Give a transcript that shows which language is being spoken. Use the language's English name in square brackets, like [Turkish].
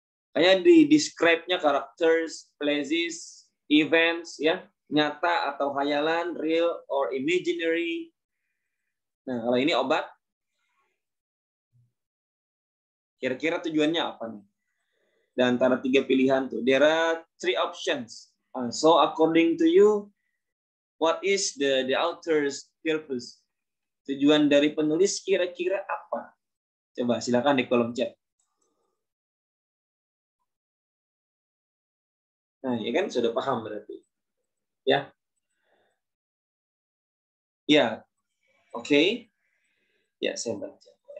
[Indonesian] Kayak di describe-nya [English] characters, places, events, [Indonesian] ya, nyata atau khayalan, [English] real or imaginary. [Indonesian] Nah, kalau ini obat, kira-kira tujuannya apa nih? Dan antara tiga pilihan tuh, [English] there are three options. So according to you, what is the author's purpose? [Indonesian] Tujuan dari penulis kira-kira apa? Coba silakan di kolom chat. Nah, ya kan sudah paham berarti. Ya. Ya. Oke. Okay. Ya, saya baca.